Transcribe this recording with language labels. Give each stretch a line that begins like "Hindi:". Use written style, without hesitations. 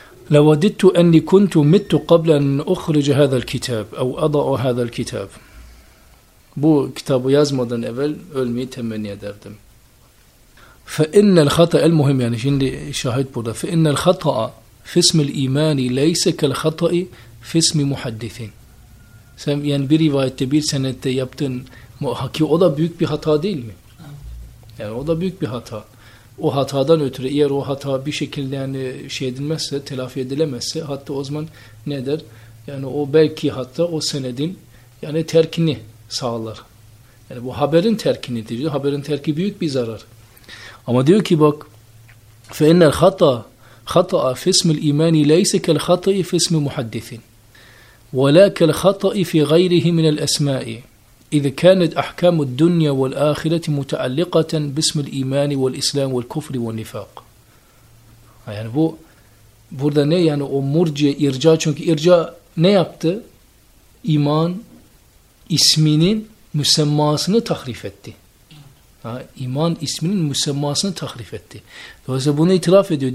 Arabic: لوددت أني كنت مت قبل أن أخرج هذا الكتاب أو أضع هذا الكتاب.
Turkish: Bu kitabı yazmadan evvel ölmeyi temenni ederdim.
Arabic: فإن الخطأ المهم يعني
Turkish: şimdi şahit burada.
Arabic: فإن الخطأ في اسم الإيمان ليس كالخطأ في اسم محدثين.
Turkish: Sen yani bir rivayette bir senette yaptın muhakki o da büyük bir hata değil mi? Yani o da büyük bir hata. O hatadan ötürü eğer o hata bir şekilde yani şey edilmezse, telafi edilemezse hatta o zaman ne der? Yani o belki hatta o senedin yani terkini sağlar. Yani bu haberin terkini diyor. Haberin terki büyük bir zarar. Ama diyor ki bak
Arabic: فَاِنَّ الْخَطَأَ فِي اسْمِ الْاِيمَانِ لَيْسَ كَالْخَطَأِ فِي اسْمِ مُحَدِّثٍ وَلَا كَالْخَطَأِ فِي غَيْرِهِ مِنَ الْاَسْمَاءِ إذ كانت أحكام الدنيا والآخرة متعلقة باسم الإيمان والإسلام والكفر والنفاق.
Turkish: Yani bu burada ne yani o murciye irca çünkü irca ne yaptı? İman isminin müsemmasını tahrif etti. Ha, iman isminin müsemmasını tahrif etti. Dolayısıyla bunu itiraf ediyor.